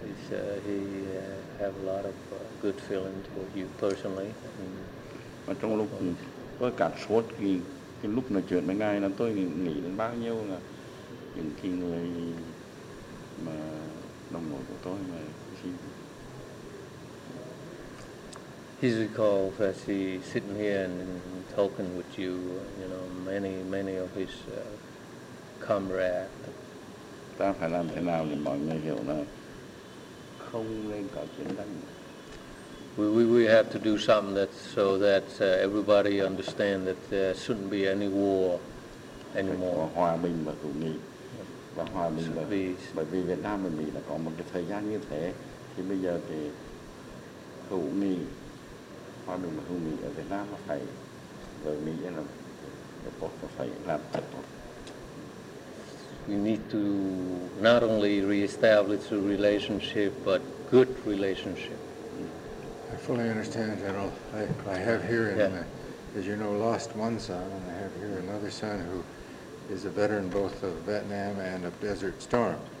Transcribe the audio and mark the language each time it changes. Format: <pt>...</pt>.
<en>He have a lot of good feeling toward you personally.</en> <vi>Mà trong lúc tôi cảm xúc cái lúc nói chuyện với ngài, là tôi nghĩ đến bao nhiêu là những cái người mà đồng đội của tôi mà khi.</vi> <en>He's recalled as he sitting here and talking with you, many of his comrades.</en> <vi>Ta phải làm thế nào để mọi người hiểu là không nên có chiến tranh.</vi> <en>We have to do something that so that everybody understand that there shouldn't be any war anymore.</en> <vi>Hòa bình và hữu nghị. Và hòa bình là bởi vì Việt Nam và Mỹ đã có một cái thời gian như thế thì bây giờ thì hữu nghị, hòa bình và hữu nghị ở Việt Nam phải ở Mỹ là phải làm thật.</vi> <en>We need to not only reestablish a relationship, but good relationship. I fully understand, General. I have here, as you know, lost one son, and I have here another son who is a veteran both of Vietnam and of Desert Storm.</en>